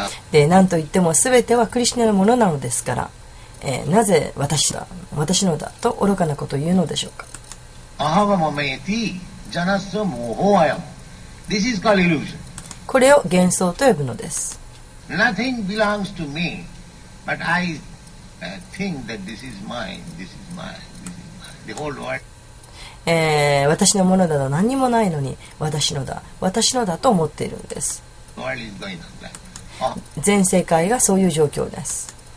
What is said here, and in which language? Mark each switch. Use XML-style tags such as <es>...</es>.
<ja>で、何と言っても全てはクリシュナのものなのですから、なぜ私だ、私のだと愚かなことを言うのでしょうか。</ja> <sa>アハバマメティジャナスソモホワヤム</sa> <en>This is called illusion.</en> <ja>これを幻想と呼ぶのです。</ja> <en>Nothing belongs to meBut I think that this is mine, this is mine, this is mine, the whole world.</en> <ja>私のものだと何もないのに、私のだと思っているんです。</ja> <en>The world is going on.</en> <ja>全世界がそういう状況です。</ja>